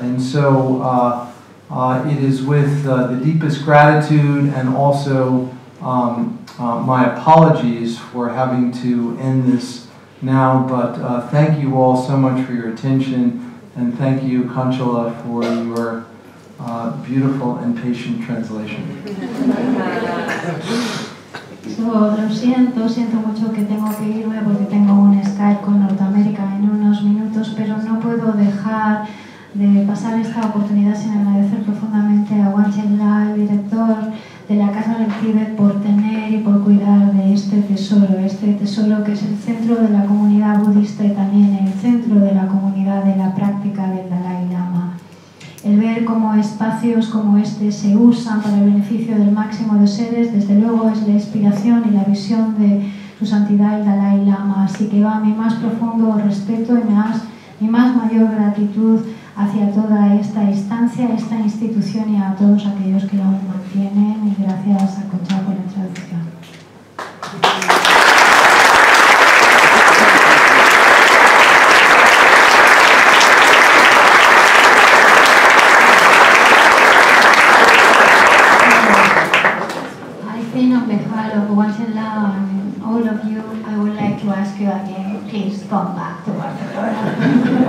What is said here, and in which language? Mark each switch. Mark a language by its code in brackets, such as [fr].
[en] And so it is with the deepest gratitude and also my apologies for having to end this now, but thank you all so much for your attention, and thank you, Conchala, for your beautiful and patient translation. [es] So, lo siento mucho que tengo que irme porque tengo un Skype con Norteamérica en unos minutos, pero no puedo dejar de pasar esta oportunidad sin agradecer profundamente a Wanchala, el director de la Casa del Tíbet, por tener y por cuidar de este tesoro que es el centro de la comunidad budista y también el centro de la comunidad de la práctica del Dalai Lama. El ver cómo espacios como este se usan para el beneficio del máximo de seres, desde luego es la inspiración y la visión de Su Santidad el Dalai Lama. Así que va mi más profundo respeto y mi más mayor gratitud hacia toda esta instancia, esta institución y a todos aquellos que la mantienen. Y gracias a Koncha por la traducción. [en] I think on behalf of Wanchala and all of you, I would like to ask you again, please come back to Barcelona.